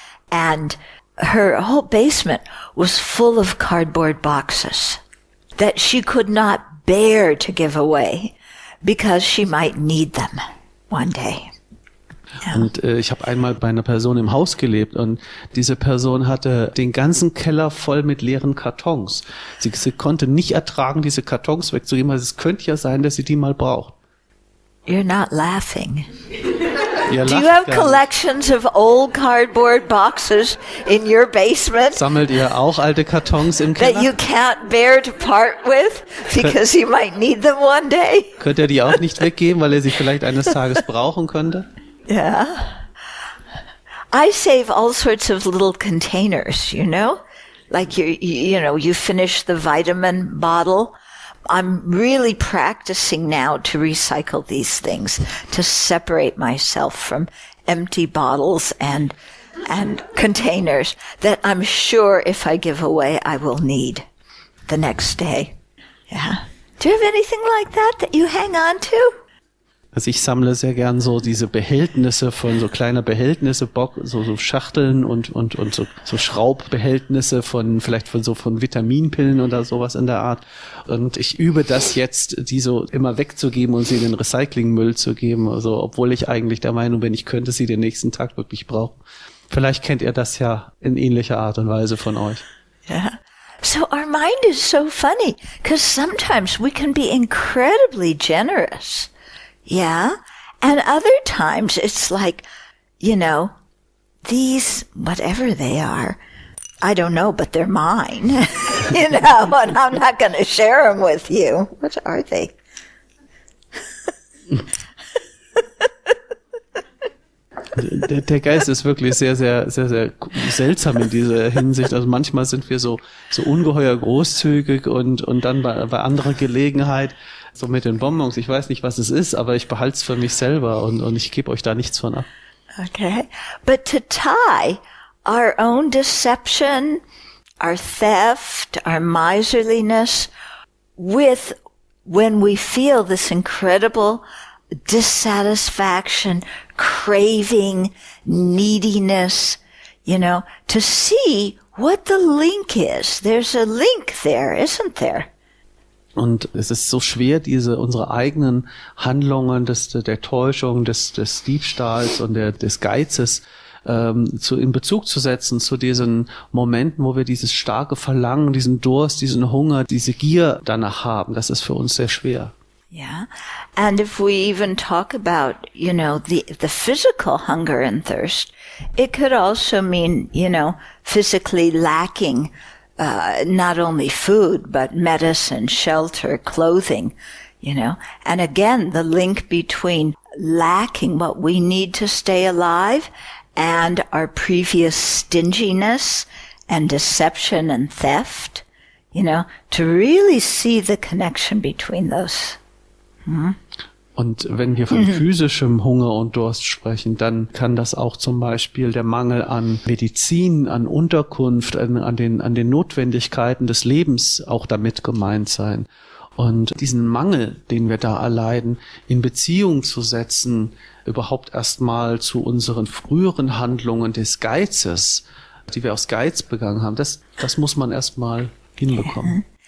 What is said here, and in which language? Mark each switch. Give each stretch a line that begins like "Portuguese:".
English: And her whole basement was full of cardboard boxes that she could not bear to give away, because she might need them one day. Yeah.
German: Und ich habe einmal bei einer Person im Haus gelebt und diese Person hatte den ganzen Keller voll mit leeren Kartons. Sie konnte nicht ertragen, diese Kartons wegzugeben, weil es könnte ja sein, dass sie die mal braucht.
English: You're not laughing.
German: Ihr lacht.
English: Do you have collections of old cardboard boxes in your basement?
German: Sammelt ihr auch alte Kartons im Keller?
English: That you can't bear to part with because you might need them one day?
German: Könnt ihr die auch nicht weggeben, weil ihr sie vielleicht eines Tages brauchen könnte?
English: Yeah. I save all sorts of little containers, you know? Like you finish the vitamin bottle. I'm really practicing now to recycle these things, to separate myself from empty bottles and containers that I'm sure if I give away I will need the next day. Yeah. Do you have anything like that that you hang on to?
German: Also ich sammle sehr gern so diese Behältnisse von so kleiner Behältnisse, so Schachteln und so Schraubbehältnisse von vielleicht von Vitaminpillen oder sowas in der Art. Und ich übe das jetzt, die so immer wegzugeben und sie in den Recyclingmüll zu geben. Also obwohl ich eigentlich der Meinung bin, ich könnte sie den nächsten Tag wirklich brauchen. Vielleicht kennt ihr das ja in ähnlicher Art und Weise von euch. Ja. Yeah.
English: So our mind is so funny, because sometimes we can be incredibly generous. Yeah, and other times it's like, you know, these, whatever they are, I don't know, but they're mine, you know, and I'm not going to share them with you. What are they?
German: Der Geist ist wirklich sehr, sehr, sehr, sehr seltsam in dieser Hinsicht. Also manchmal sind wir so ungeheuer großzügig und dann bei anderer Gelegenheit, so mit den Bonbons, ich weiß nicht, was es ist, aber ich behalte es für mich selber und ich gebe euch da nichts von ab.
English: Okay. But to tie our own deception, our theft, our miserliness with when we feel this incredible dissatisfaction, craving, neediness, you know, to see what the link is. There's a link there, isn't there?
German: Und es ist so schwer, unsere eigenen Handlungen der Täuschung, des Diebstahls und des Geizes in Bezug zu setzen zu diesen Momenten, wo wir dieses starke Verlangen, diesen Durst, diesen Hunger, diese Gier danach haben. Das ist für uns sehr schwer.
English: Yeah, and if we even talk about, you know, the physical hunger and thirst, it could also mean, you know, physically lacking not only food, but medicine, shelter, clothing, you know. And again, the link between lacking what we need to stay alive and our previous stinginess and deception and theft, you know, to really see the connection between those.
German: Und wenn wir von physischem Hunger und Durst sprechen, dann kann das auch zum Beispiel der Mangel an Medizin, an Unterkunft, an den Notwendigkeiten des Lebens auch damit gemeint sein. Und diesen Mangel, den wir da erleiden, in Beziehung zu setzen, überhaupt erstmal zu unseren früheren Handlungen des Geizes, die wir aus Geiz begangen haben, das muss man erstmal hinbekommen.